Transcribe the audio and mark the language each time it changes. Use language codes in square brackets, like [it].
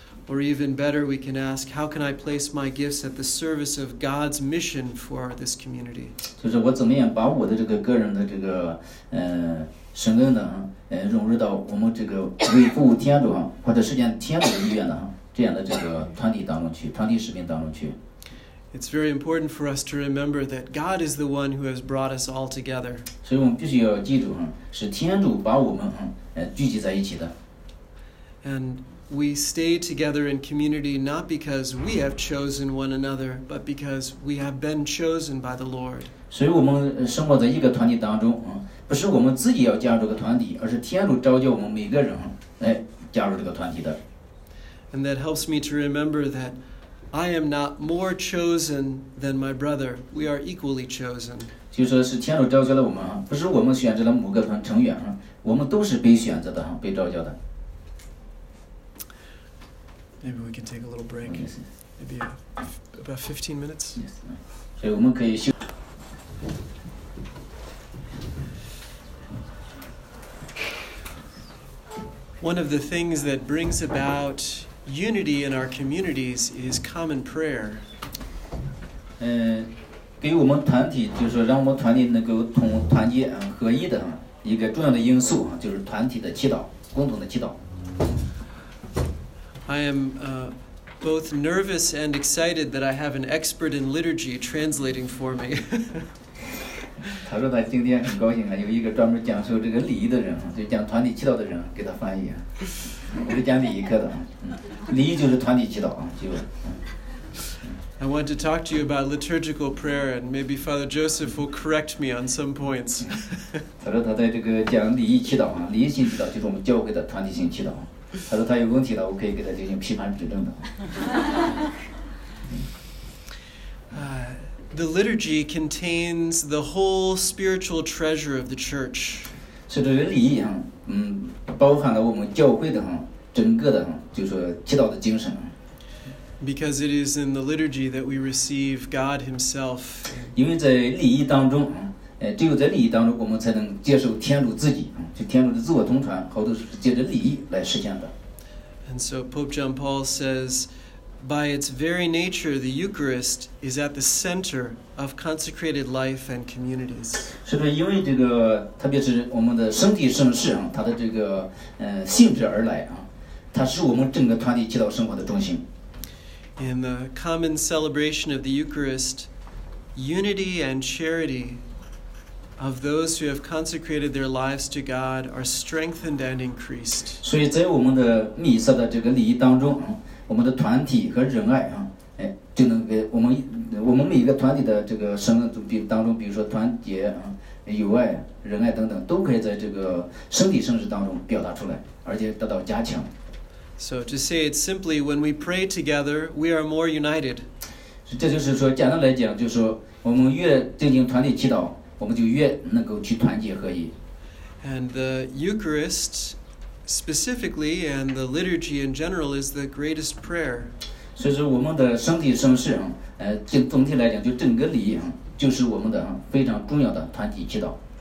[en] Or even better, we can ask, how can I place my gifts at the service of God's mission for this community? [zh] 就是我怎么样把我的这个个人的这个神恩融入到我们这个为服务天主或者实现天主的意愿呢？这样的这个团体当中去，团体使命当中去。 [en] It's very important for us to remember that God is the one who has brought us all together. [zh] 所以我们必须要记住是天主把我们聚集在一起的。 [en] And we stay together in community not because we have chosen one another, but because we have been chosen by the Lord. [zh] 所以我们生活在一个团体当中不是我们自己要加入这个团体，而是天主召叫我们每个人来加入这个团体的。 [en] And that helps me to remember that I am not more chosen than my brother. We are equally chosen. [zh] 就说是天主召叫了我们不是我们选择了某个成员我们都是被选择的被召叫的。 [en] Maybe we can take a little break. Maybe about 15 minutes. Yes. [zh] 所以我们可以休息。 [en] One of the things that brings about unity in our communities is common prayer. [zh] 给我们团体就是说让我们团体能够团结合一的一个重要的因素就是团体的祈祷，共同的祈祷。 [en] I am both nervous and excited that I have an expert in liturgy translating for me. [zh] 他说他今天很高兴有一个专门讲授这个礼仪的人就讲团体祈祷的人给他翻译。我是讲礼仪课的礼仪就是团体祈祷就。 [en] I want to talk to you about liturgical prayer and maybe Father Joseph will correct me on some points. [zh] 他说他在这个讲礼仪祈祷礼仪性祈祷就是我们教会的团体性祈祷。他说他有问题了我可以给他进行批判指正的。 [en] The liturgy contains the whole spiritual treasure of the church. [zh] 是这个礼仪包含了我们教会的整个的就是祈祷的精神。 [en] Because it is in the liturgy that we receive God himself. [zh] 因为在礼仪当中只有在礼仪当中我们才能接受天主自己就天主的自我同传好多是借着礼仪来实现的。 [en] And so Pope John Paul says,By its very nature, the Eucharist is at the center of consecrated life and communities. [zh] 是的，因为这个，特别是我们的身体圣事它的这个性质而来它是我们整个团体祈祷生活的中心。 [en] In the common celebration of the Eucharist, unity and charity of those who have consecrated their lives to God are strengthened and increased. [zh] 所以在我们的弥撒的这个礼仪当中我们的团体和仁爱就能给我们每一个团体的这个生命当中比如说团结友爱、仁爱等等，都可以在这个身体圣事当中表达出来，而且得到加强。 [en] So to say it simply, when we pray together, we are more united. [zh] 这就是说，简单来讲，就是说，我们越进行团体祈祷，我们就越能够去团结合一。 [en] And the Eucharist, specifically, and the liturgy in general, is the greatest prayer. [zh] 所以说，我们的身体圣事啊，就总体来讲，就整个礼仪啊，就是我们的非常重要的团体祈祷。